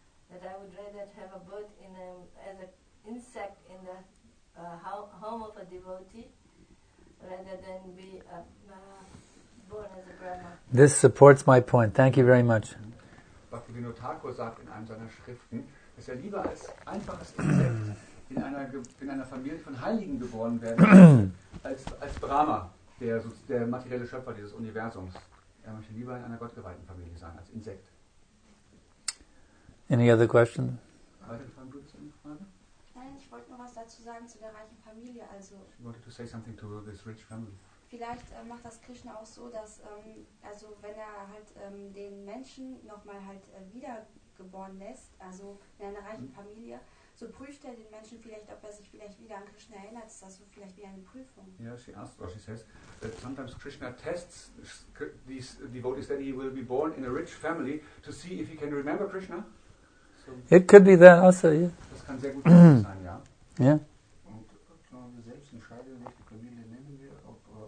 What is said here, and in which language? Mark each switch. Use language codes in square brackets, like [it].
[en] That I would rather have a bird in a, as an insect in the home of a devotee rather than be born as a Brahma. This supports my point. Thank you very much. [de] Bhaktivinoda Thakur sagt in einem seiner Schriften, dass er lieber als einfaches Insekt in einer Familie von Heiligen geboren werden als Brahma, der materielle Schöpfer dieses Universums. Er möchte lieber in einer gottgeweihten Familie sein, als Insekt. [en] Any other question? [de] Nein, ich wollte noch was dazu sagen zu der reichen Familie. Also, [en] she wanted to say something to this rich family. [de] Vielleicht macht das Krishna auch so, dass also wenn er halt den Menschen nochmal halt wiedergeboren lässt, also in einer reichen Familie, so prüft er den Menschen vielleicht, ob er sich vielleicht wieder an Krishna erinnert. Ist das so vielleicht wie eine Prüfung? [en] Yeah, she asked, or she says, that sometimes Krishna tests these devotees that he will be born in a rich family to see if he can remember Krishna. So it could be that also, yeah. [de] Das kann sehr gut sein, ja. [en] Yeah. [de] Und wenn wir selbst entscheiden, welche Familie nehmen wir, ob